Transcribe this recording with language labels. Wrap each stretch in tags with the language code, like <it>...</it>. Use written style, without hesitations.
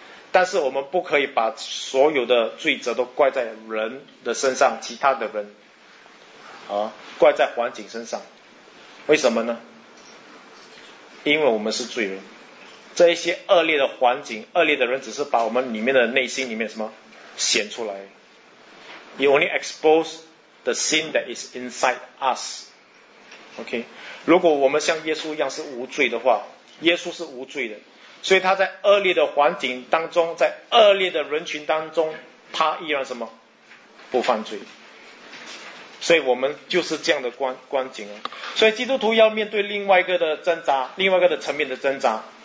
<zh>但是我们不可以把所有的罪责都怪在人的身上，其他的人，啊，怪在环境身上。为什么呢？因为我们是罪人，这一些恶劣的环境、恶劣的人，只是把我们里面的内心里面什么显出来。</zh> <en>You only expose the sin that is inside us.</en> <zh>OK， 如果我们像耶稣一样是无罪的话，耶稣是无罪的，所以他在恶劣的环境当中，在恶劣的人群当中，他依然什么不犯罪。所以我们就是这样的光景啊。所以基督徒要面对另外一个的挣扎，另外一个的层面的挣扎。</zh>